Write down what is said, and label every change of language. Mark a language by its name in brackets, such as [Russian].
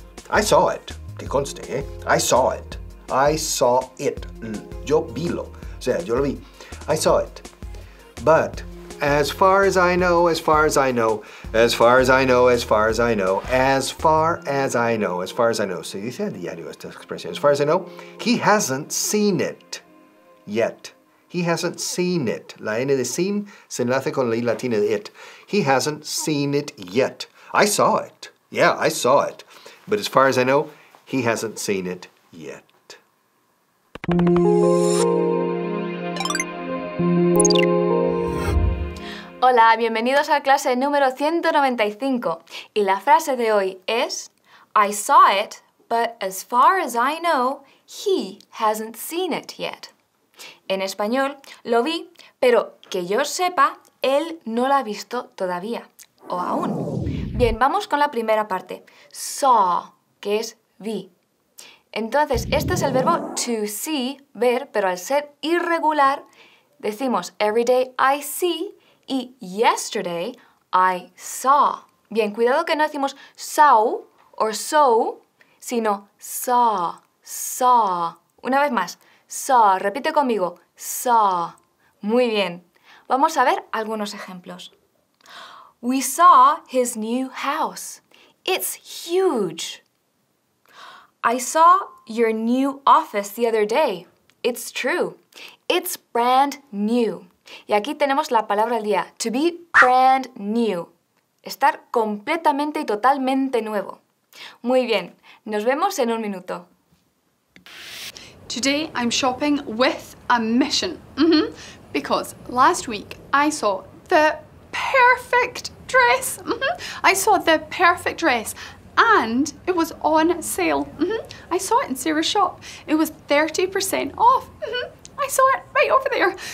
[English] I saw it, [Spanish] que conste, ¿eh? [English] I saw it. I saw it. [Spanish] Yo vi lo. O sea, yo lo vi. [English] I saw it. But as far as I know, as far as I know, as far as I know, as far as I know, as far as I know, as far as I know. [Spanish] Se dice a diario esta expresión. [English] As far as I know, he hasn't seen it yet. He hasn't seen it. [Spanish] La N de seen se enlace con la I latina de it. [English] He hasn't seen it yet. I saw it. Yeah, I saw it. But as far as I know, he hasn't seen it yet. [Spanish] Hola, bienvenidos a clase número 195. Y la frase de hoy es, [English] I saw it, but as far as I know, he hasn't seen it yet. [Spanish] En español, lo vi, pero que yo sepa, él no la ha visto todavía, o aún. Bien, vamos con la primera parte. Saw, que es vi. Entonces, este es el verbo to see, ver, pero al ser irregular, decimos [English] every day I see, [Spanish] y [English] yesterday, I saw. [Spanish] Bien, cuidado que no decimos saw or so, sino saw, saw. Una vez más, saw. Repite conmigo, saw. Muy bien. Vamos a ver algunos ejemplos. [English] We saw his new house. It's huge. I saw your new office the other day. It's true. It's brand new. [Spanish] Y aquí tenemos la palabra del día, to be brand new, estar completamente y totalmente nuevo. Muy bien, nos vemos en un minuto. [English] Today I'm shopping with a mission, because last week I saw the perfect dress, I saw the perfect dress and it was on sale, I saw it in Sarah's shop, it was 30% off, I saw it right over there.